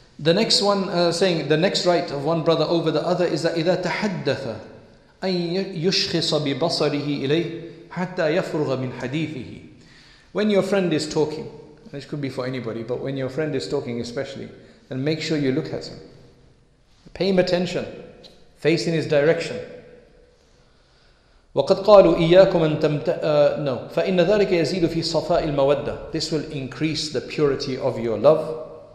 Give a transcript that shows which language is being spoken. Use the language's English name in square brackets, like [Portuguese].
[English] The next one saying, the next right of one brother over the other is that [Arabic] إِذَا تَحَدَّثَ أَن يُشْخِصَ بِبَصَرِهِ إِلَيْهِ حَتَّى يَفْرُغَ مِنْ حَدِيثِهِ. [English] When your friend is talking, this could be for anybody, but when your friend is talking especially, then make sure you look at him. Pay him attention. Face in his direction. [Arabic] وَقَدْ قَالُوا إِيَّاكُمْ أَن no. فَإِنَّ ذَلِكَ يَزِيدُ فِي صَفَاءِ الْمَوَدَّةِ. [English] This will increase the purity of your love.